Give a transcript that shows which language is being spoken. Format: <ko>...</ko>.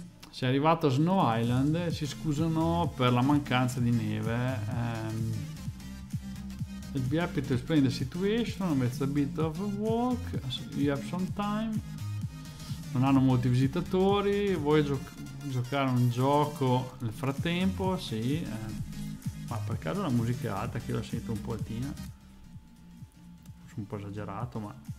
<it>Si è arrivato a Snow Island, si scusano per la mancanza di neve.</it> <en>It'll be happy to explain the situation, it's a bit of a walk, you have some time.</en> <it>Non hanno molti visitatori, vuoi giocare un gioco nel frattempo? Sì, ma per caso la musica è alta, che io la sento un po' altina. Sono un po' esagerato, ma...</it>